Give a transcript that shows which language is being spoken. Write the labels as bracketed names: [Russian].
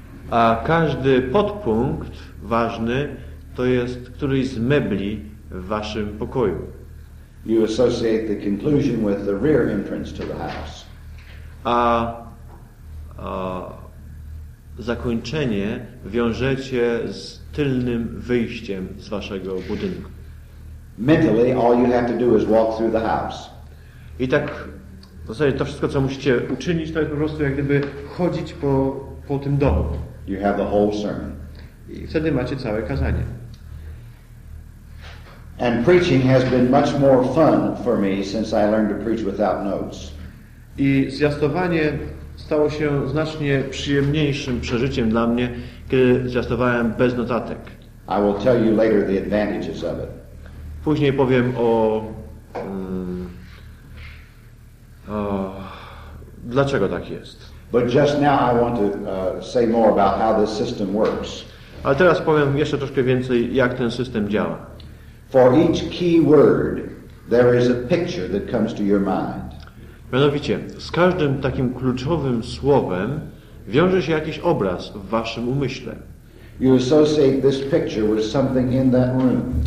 [Polish] A każdy podpunkt ważny to jest któryś z mebli w waszym pokoju. [English] You associate the conclusion with the rear entrance to the house. [Polish] A zakończenie wiążecie z tylnym wyjściem z waszego budynku. [English] Mentally, all you have to do is walk through the house. [Polish] I tak w zasadzie to wszystko, co musicie uczynić, to jest po prostu jak gdyby chodzić po tym domu. [English] You have the whole sermon. [Polish] I wtedy macie całe kazanie. [English] And preaching has been much more fun for me since I learned to preach without notes. [Polish] I zwiastowanie stało się znacznie przyjemniejszym przeżyciem dla mnie, kiedy zwiastowałem bez notatek. [English] I will tell you later the advantages of it. [Polish] Później powiem o dlaczego tak jest. [English] But just now I want to say more about how this system works. [Polish] Ale teraz powiem jeszcze troszkę więcej, jak ten system działa. [English] For each key word, there is a picture that comes to your mind. [Polish] Mianowicie, z każdym takim kluczowym słowem wiąże się jakiś obraz w waszym umyśle. [English] You associate this picture with something in that room.